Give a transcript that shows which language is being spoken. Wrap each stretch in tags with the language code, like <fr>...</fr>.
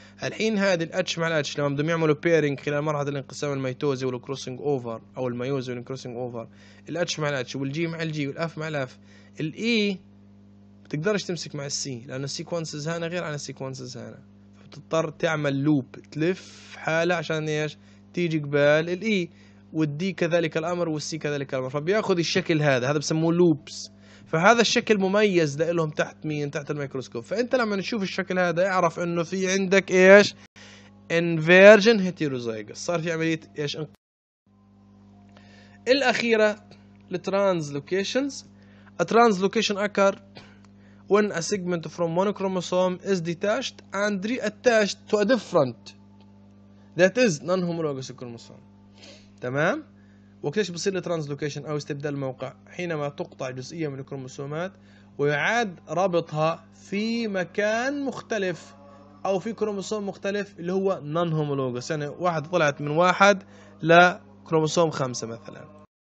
<ar>الحين هذه الاتش مع الاتش لما بدهم يعملوا بيرنج خلال مرحله الانقسام الميتوزي والكروسنج اوفر او الميوزي والكروسنج اوفر، الاتش مع الاتش والجي مع الجي والاف مع الاف، الاي ما تقدرش تمسك مع السي لان السيكونسز هنا غير عن السيكونسز هنا، فبتضطر تعمل لوب تلف حاله عشان ايش؟ تيجي قبال الاي، والدي كذلك الامر والسي كذلك الامر، فبياخذ الشكل هذا، هذا بسموه لوبس. فهذا الشكل مميز لإلهم تحت مين؟ تحت الميكروسكوب. فأنت لما نشوف الشكل هذا اعرف انه في عندك ايش؟ انفيرجن هيتيروزايغس، صار في عملية ايش؟ الاخيرة الترانزلوكيشنز. الترانزلوكيشن اكر</ar> <en>when a segment from monochromosome is detached and reattached to a different that is non-homologous chromosome.</en> <ar>تمام؟ وكيف بصير الترانزلوكيشن او استبدال موقع؟ حينما تقطع جزئيه من الكروموسومات ويعاد ربطها في مكان مختلف او في كروموسوم مختلف اللي هو نون هومولوجس، يعني واحد طلعت من واحد لكروموسوم خمسة مثلا.</ar>